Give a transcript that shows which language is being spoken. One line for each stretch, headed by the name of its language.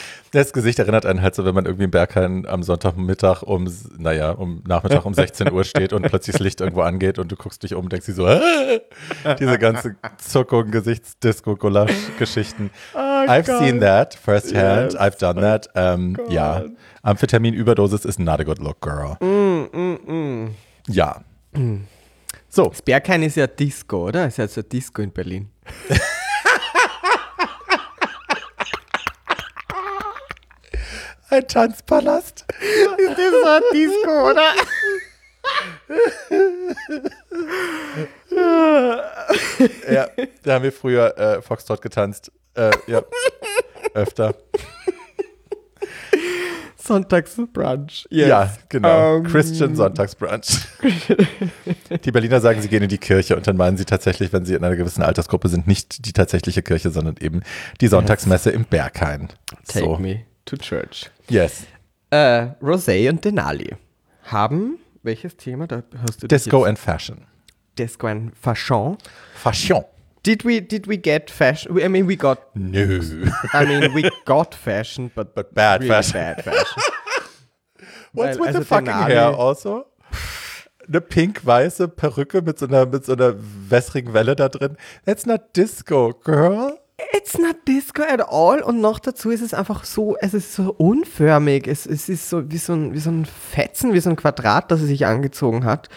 German: Das Gesicht erinnert einen halt so, wenn man irgendwie im Berghain am Sonntagmittag Nachmittag um 16 Uhr steht und plötzlich das Licht irgendwo angeht und du guckst dich um und denkst dir so, diese ganze Zuckung, Gesichtsdisco-Gulasch-Geschichten.
English: Oh, I've seen that firsthand, yes. I've done that. Amphetamin-Überdosis is not a good look, girl.
German: Ja. So. Das Berghain ist ja Disco, oder? Ist ja so Disco in Berlin. Ein Tanzpalast. Ist das so ein Disco, oder? Ja, da haben wir früher Foxtrot getanzt. Ja, öfter. Sonntagsbrunch. Yes. Ja, genau. Christian Sonntagsbrunch. Die Berliner sagen, sie gehen in die Kirche und dann meinen sie tatsächlich, wenn sie in einer gewissen Altersgruppe sind, nicht die tatsächliche Kirche, sondern eben die Sonntagsmesse im Berghain.
English: Take me to church. Yes.
German: Rosé und Denali haben welches Thema? Da hast du
English: Disco and Fashion. Disco and Fashion. Fashion. Did we get fashion? I mean, we got. No. I mean, we got fashion, but bad really fashion. Bad fashion. What's with the fucking Denali hair also?
German: Eine pink-weiße Perücke mit so einer wässrigen Welle da drin.
English: That's not disco, girl. It's not disco at all.
German: Und noch dazu ist es einfach so, es ist so unförmig. Es ist so wie so ein Fetzen, wie so ein Quadrat, das sie sich angezogen hat.